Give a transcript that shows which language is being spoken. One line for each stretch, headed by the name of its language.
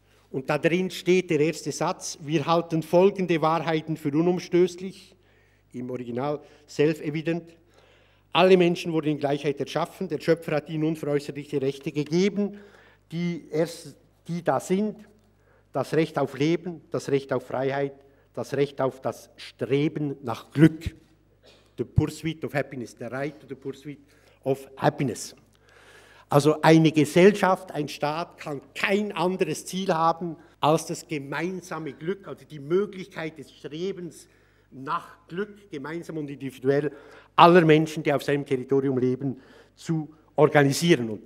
German: Und da drin steht der erste Satz: Wir halten folgende Wahrheiten für unumstößlich, im Original self-evident. Alle Menschen wurden in Gleichheit erschaffen. Der Schöpfer hat ihnen unveräußerliche Rechte gegeben, die da sind. Das Recht auf Leben, das Recht auf Freiheit, das Recht auf das Streben nach Glück.
English: The pursuit of happiness, the right to the pursuit of happiness.
German: Also eine Gesellschaft, ein Staat kann kein anderes Ziel haben als das gemeinsame Glück, also die Möglichkeit des Strebens nach Glück, gemeinsam und individuell, aller Menschen, die auf seinem Territorium leben, zu organisieren.